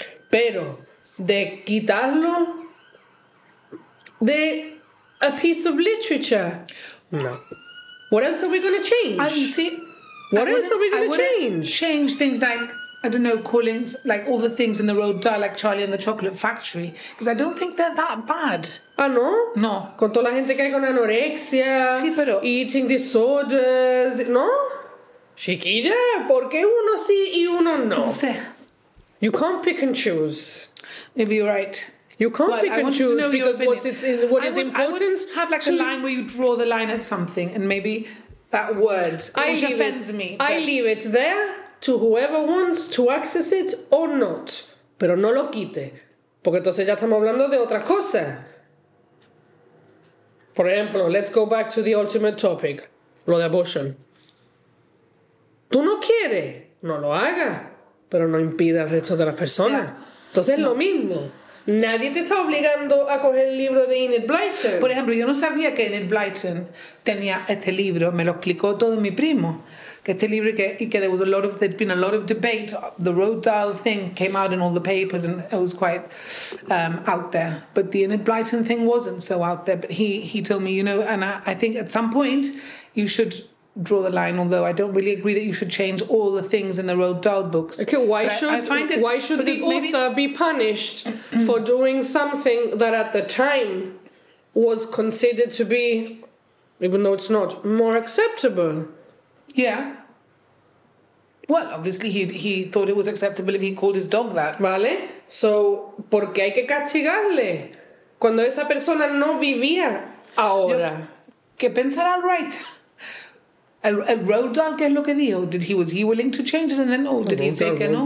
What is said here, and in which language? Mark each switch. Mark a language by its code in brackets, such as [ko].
[es] Pero de quitarlo de [en] a piece of literature. [es] No. [en] What else are we going to change? Change things like, I don't know, calling like all the things in the road die, like Charlie and the Chocolate Factory, because I don't think they're that bad. [es] Ah, no? No. Con toda la gente que hay con anorexia, sí, pero... [en] eating disorders, no? [es] Chiquilla, ¿por qué uno sí y uno no? No sé. [en] You can't pick and choose. Maybe you're right. You can't pick and choose because what is important. I would have like a line where you draw the line at something, and maybe that word which offends me. I leave it there to whoever wants to access it or not. [es] Pero no lo quite, porque entonces ya estamos hablando de otra cosa. [en] For example, let's go back to the ultimate topic, [es] lo de [en] abortion. [es] Tú no quieres, no lo haga, pero no impida al resto de las personas. Yeah. Entonces es lo mismo. Nadie te está obligando a coger el libro de Enid Blyton. Por ejemplo, yo no sabía que Enid Blyton tenía este libro. Me lo explicó todo mi primo. Que este libro y que [en] there'd been a lot of debate. The Rodale thing came out in all the papers and it was quite out there. But the Enid Blyton thing wasn't so out there. But he told me, you know, and I think at some point you should draw the line, although I don't really agree that you should change all the things in the Roald Dahl books. Okay, why should the author be punished for doing something that at the time was considered to be, even though it's not, more acceptable? Yeah. Well, obviously he thought it was acceptable if he called his dog that. [es] Vale, so ¿por qué hay que castigarle cuando esa persona no vivía ahora? ¿Qué pensará el right? El Roald Dahl, ¿qué es lo que dijo? [en] Was he willing to change it and then, oh, did he say [es] que no?